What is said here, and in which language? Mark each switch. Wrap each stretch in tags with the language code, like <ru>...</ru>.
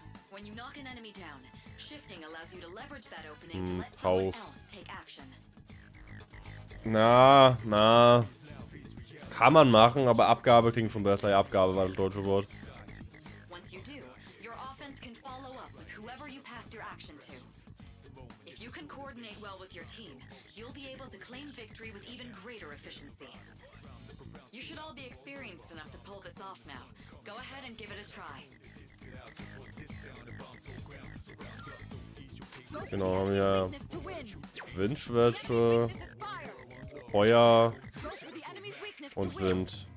<en>When you knock an enemy down, shifting allows you to leverage that opening to let someone else take action. Na.</en> <de>Kann man machen, aber Abgabe klingt schon besser. Ja, Abgabe war das deutsche Wort.</de> <en>Once you do, your offense can follow up with whoever you passed your action to. If you can coordinate well with your team, you'll be able to claim victory with even greater efficiency. You should all be experienced enough to pull this off now. Go ahead and give it a try.</en> <de>Genau, haben wir Windschwäche, Feuer und Wind.</de>